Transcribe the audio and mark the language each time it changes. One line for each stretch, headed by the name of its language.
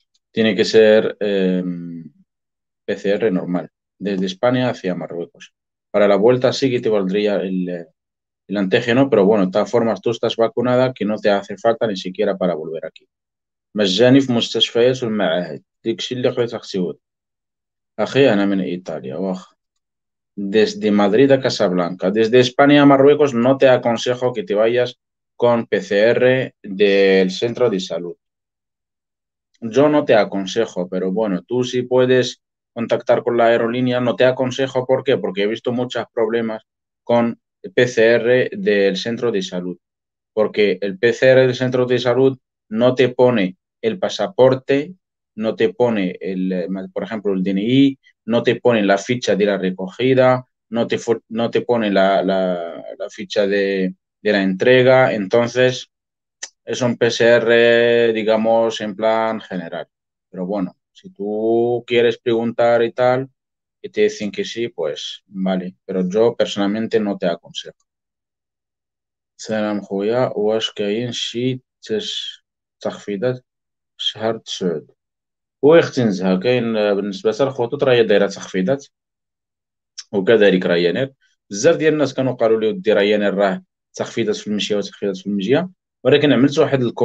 Spanish: Tiene que ser PCR normal, desde España hacia Marruecos. Para la vuelta sí que te valdría el antígeno, pero bueno, de todas formas tú estás vacunada que no te hace falta ni siquiera para volver aquí.
Arabic: مجاني في مستشفيات والمعاهد، ديكشي اللي قريت اختي. أخي أنا من إيطاليا، واخ
Spanish: desde مدريد a Casablanca، desde España a Marruecos no te aconsejo que te vayas con PCR del centro de salud. Yo no te aconsejo, pero bueno, tú sí puedes contactar con la aerolínea. No te aconsejo, ¿por qué? Porque he visto muchos problemas con PCR del centro de salud. Porque el PCR del centro de salud no te pone el pasaporte, no te pone por ejemplo, el DNI, no te pone la ficha de la recogida, no te pone la ficha de la entrega. Entonces, es un PCR, digamos, en plan general. Pero bueno, si tú quieres preguntar y tal, y te dicen que sí, pues vale. Pero yo personalmente no te aconsejo.
Arabic: سلام خويا، واش كاين شي تخفيضات شهر 9؟ هو اختي نزهة كاين بالنسبة لها الخطوط راهي دايرة تخفيضات، وكذلك ريانير. بزاف ديال الناس كانوا قالوا لي ودي ريانير راه تخفيضات في المشية وتخفيضات في المجية، ولكن عملت واحد